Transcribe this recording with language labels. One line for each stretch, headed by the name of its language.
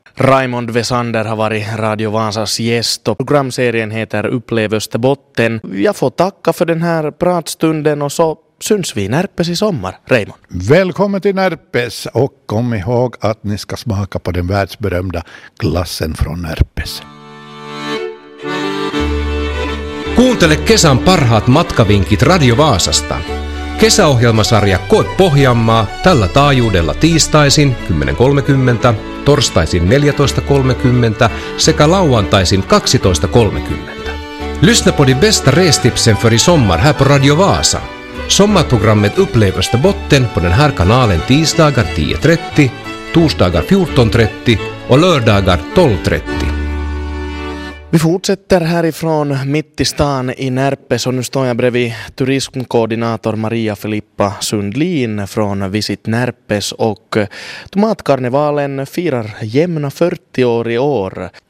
Swedish: Raimond Vesander har varit Radio Vansas gäst och programserien heter Upplev Österbotten. Jag får tacka för den här pratstunden och så syns vi i Närpes i sommar, Raimond. Välkommen till Närpes och kom ihåg att ni ska smaka på den världsberömda glassen från Närpes.
Finnish: Kuuntele kesän parhaat matkavinkit Radio Vaasasta. Kesäohjelmasarja Koe Pohjanmaa tällä taajuudella tiistaisin 10.30, torstaisin 14.30 sekä lauantaisin 12.30.
Swedish: Lyssna på de bästa restipsen för i sommar här på Radio Vaasa. Sommarprogrammet Upplev Österbotten på den här kanalen tisdagar 10.30, torsdagar 14.30 och lördagar 12.30. Vi fortsätter härifrån mitt i stan i Närpes och nu står jag bredvid turismkoordinator Maria Filippa Sundlin från Visit Närpes och tomatkarnevalen firar jämna 40 år i år.